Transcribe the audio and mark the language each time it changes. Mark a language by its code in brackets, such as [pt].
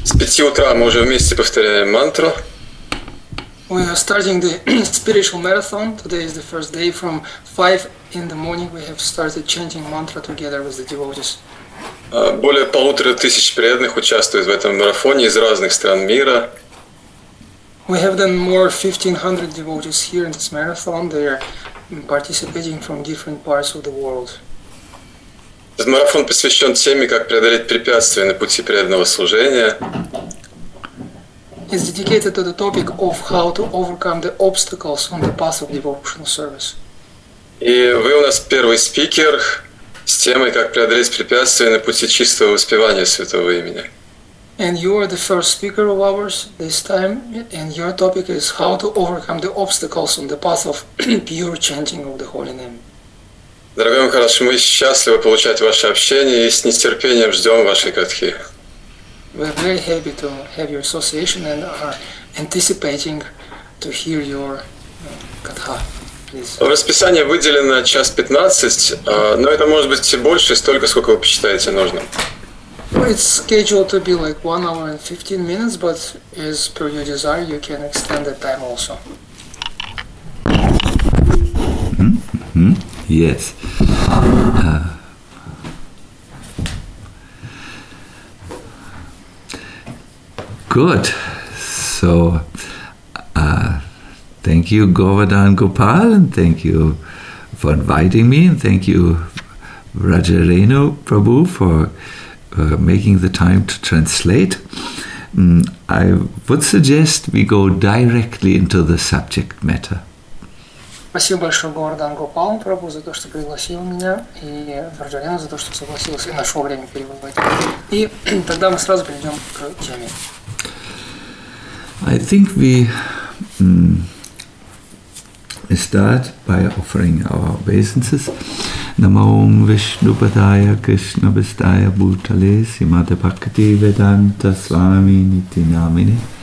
[ru] С 5 утра мы уже вместе повторяем мантру. [en] We are starting the spiritual marathon. Today is the first day. From 5 in the morning we have started chanting mantra together with the devotees. [ru] Более 1500 преданных участвуют в этом марафоне из разных стран мира. [en] We have then more 1500 devotees here in this marathon. They are participating from different parts of the world. [ru] Этот марафон посвящен теме, как преодолеть препятствия на пути преданного служения. [en] It's dedicated to the topic of how to overcome the obstacles on the path of devotional service. [ru] И вы у нас первый спикер с темой, как преодолеть препятствия на пути чистого воспевания святого имени. [en] And you are the first speaker of ours this time, and your topic is how to overcome the obstacles on the path of pure chanting of the holy name. [ru] Дорогой Махарадж, мы счастливы получать ваше общение и с нетерпением ждем вашей катхи. [en] We're very happy to have your association and are anticipating to hear your katha. [ru] В расписании выделено 1:15, но это может быть больше, столько, сколько вы посчитаете нужным. [en] Well, it's scheduled to be like 1 hour and 15 minutes, but as per your desire, you can extend that time also. Yes. Good. So, thank you, Govardhan Gopal, and thank you for inviting me, and thank you, Rajarenu Prabhu, for making the time to translate. I would suggest we go directly into the subject matter. [ru] Спасибо большое, Говардан Гопал Прабху, за то, что пригласил меня, и Раджарена за то, что согласился и нашел время переводить. И тогда мы сразу перейдем к теме. [en] I think we start by offering our obeisances. [sa] Namo Om Vishnupadaya Krishna Vistaya Bhutale Simata Bhakti Vedanta Swami Niti Namine.